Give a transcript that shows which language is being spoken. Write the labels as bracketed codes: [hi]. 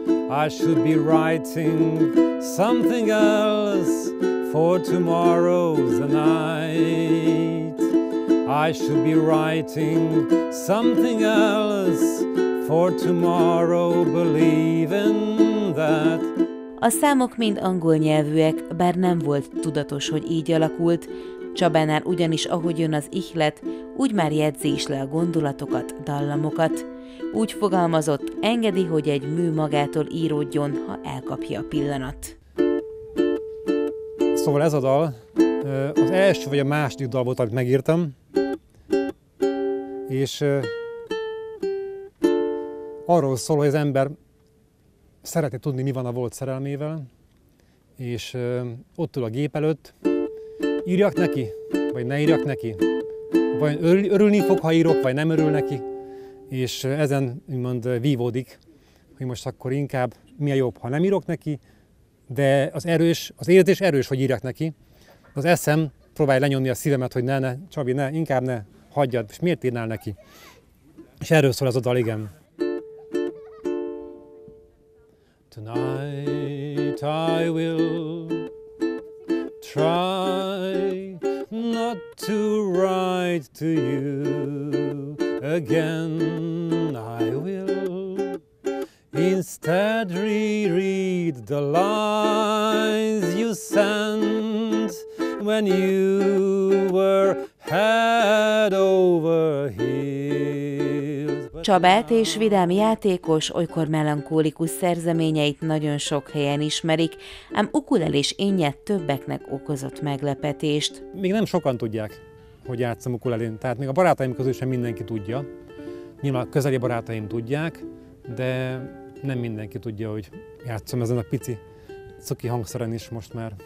[en] I should be writing something else, for tomorrow's the night. I should be writing something else, for tomorrow believing that. [hu] A számok mind angol nyelvűek, bár nem volt tudatos, hogy így alakult. Csabánál ugyanis, ahogy jön az ihlet, úgy már jegyzi is le a gondolatokat, dallamokat. Úgy fogalmazott, engedi, hogy egy mű magától íródjon, ha elkapja a pillanat. Szóval ez a dal az első vagy a második dal volt, amit megírtam. És arról szól, hogy az ember szeretné tudni, mi van a volt szerelmével, és ott ül a gép előtt, írjak neki, vagy ne írjak neki? vagy örülni fog, ha írok, vagy nem örül neki, és ezen úgymond vívódik, hogy most akkor inkább mi a jobb, ha nem írok neki, de az erős, az érzés erős, hogy írjak neki. Az eszem próbálja lenyomni a szívemet, hogy ne, Csabi, ne, inkább ne, hagyjad, és miért írnál neki? És erről szól az a dal, igen. [en] Tonight I will try not to write to you again. I will instead reread the lines you sent when you were head over heels. [hu] Csabát és vidám játékos, olykor melankólikus szerzeményeit nagyon sok helyen ismerik, ám ukulelés énje többeknek okozott meglepetést. Még nem sokan tudják, hogy játszom ukulelén, tehát még a barátaim közül sem mindenki tudja. Nyilván a közeli barátaim tudják, de nem mindenki tudja, hogy játszom ezen a pici cuki hangszeren is most már.